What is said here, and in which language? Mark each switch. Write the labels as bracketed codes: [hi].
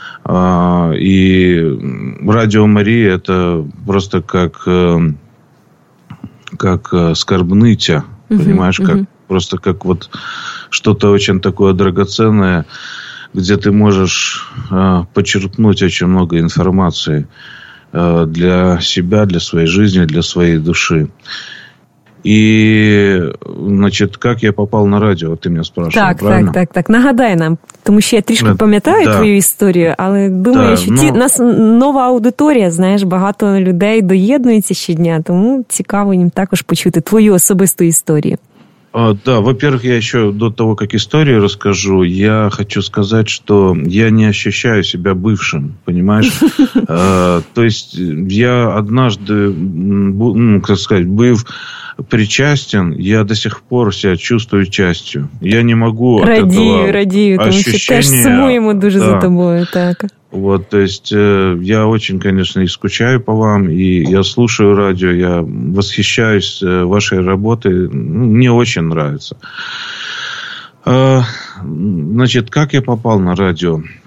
[ru] И Радио Мария – это просто как скорбнытие, понимаешь, как просто как вот что-то очень такое драгоценное, где ты можешь почерпнуть очень много информации для себя, для своей жизни, для своей души. И, значит, как я попал на радио, ты меня спрашиваешь, так, правильно? [uk] Так, нагадай нам, [ru] потому что [uk] я трішки пам'ятаю твою историю, але думаю, [ru] что у нас [uk] нова аудитория, знаешь, багато людей доєднується щодня, тому цікаво їм також почути твою особисту історію. [ru] Да, во-первых, я еще до того, как историю расскажу, я хочу сказать, что я не ощущаю себя бывшим, понимаешь? То есть я однажды, как сказать, быв причастен, я до сих пор себя чувствую частью. Я не могу от [uk] радію, [ru] этого [uk] радію, Радію, радію, [ru] потому что [uk] теж сумуємо дуже за тобою, так. [ru] Вот, то есть я очень, конечно, и скучаю по вам, и я слушаю радио, я восхищаюсь вашей работой, мне очень нравится. Значит, как я попал на радио?